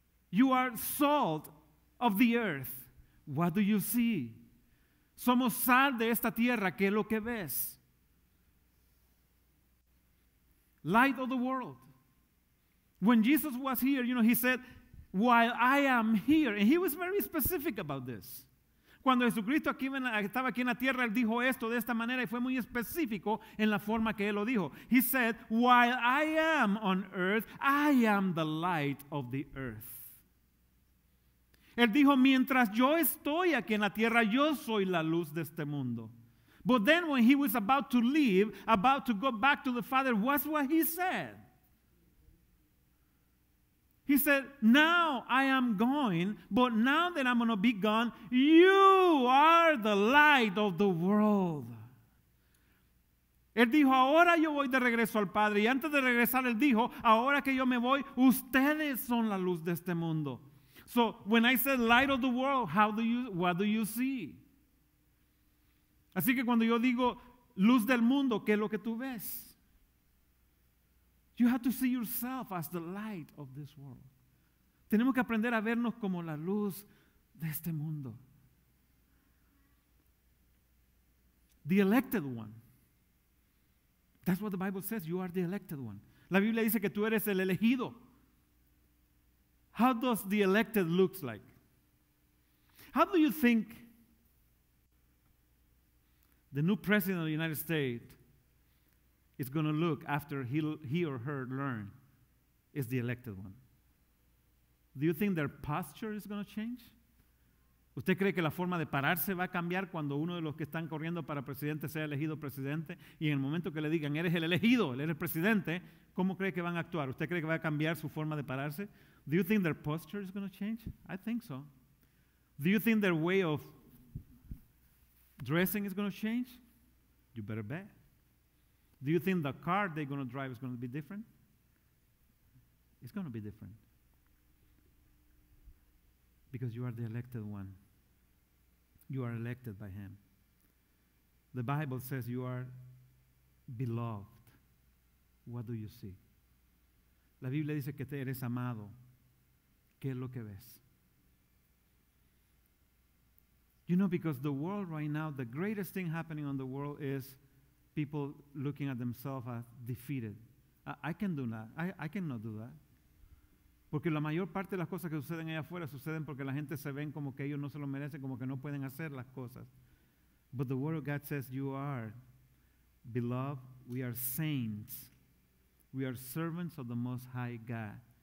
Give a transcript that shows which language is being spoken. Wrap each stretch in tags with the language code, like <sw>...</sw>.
<en>You are salt of the earth. What do you see?</en> <es>Somos sal de esta tierra. ¿Qué es lo que ves?</es> <en>Light of the world. When Jesus was here, you know, he said, while I am here. And he was very specific about this.</en> <es>Cuando Jesucristo estaba aquí en la tierra, él dijo esto de esta manera y fue muy específico en la forma que él lo dijo.</es> <en>He said, while I am on earth, I am the light of the earth.</en> <es>Él dijo, mientras yo estoy aquí en la tierra, yo soy la luz de este mundo.</es> <en>But then when he was about to leave, about to go back to the Father, what's what he said? He said, now I am going, but now that I'm going to be gone, you are the light of the world.</en> <es>Él dijo, ahora yo voy de regreso al Padre. Y antes de regresar, él dijo, ahora que yo me voy, ustedes son la luz de este mundo.</es> <en>So when I said light of the world, what do you see?</en> <es>Así que cuando yo digo luz del mundo, ¿qué es lo que tú ves?</es> <en>You have to see yourself as the light of this world.</en> <es>Tenemos que aprender a vernos como la luz de este mundo.</es> <en>The elected one. That's what the Bible says. You are the elected one.</en> <es>La Biblia dice que tú eres el elegido.</es> <en>How does the elected look like? How do you think the new president of the United States is going to look after he or her learn is the elected one? Do you think their posture is going to change?</en> <es>¿Usted cree que la forma de pararse va a cambiar cuando uno de los que están corriendo para presidente sea elegido presidente? Y en el momento que le digan, eres el elegido, eres el presidente, ¿cómo cree que van a actuar? ¿Usted cree que va a cambiar su forma de pararse?</es> <en>Do you think their posture is going to change? I think so. Do you think their way of dressing is going to change? You better bet. Do you think the car they're going to drive is going to be different? It's going to be different. Because you are the elected one. You are elected by him. The Bible says you are beloved. What do you see?</en> <es>La Biblia dice que te eres amado. ¿Qué es lo que ves?</es> <en>You know, because the world right now, the greatest thing happening on the world is people looking at themselves as defeated. I can do that. I cannot do that.</en> <es>Porque la mayor parte de las cosas que suceden allá afuera suceden porque la gente se ven como que ellos no se lo merecen, como que no pueden hacer las cosas.</es> <en>But the word of God says, you are beloved. We are saints. We are servants of the Most High God.</en>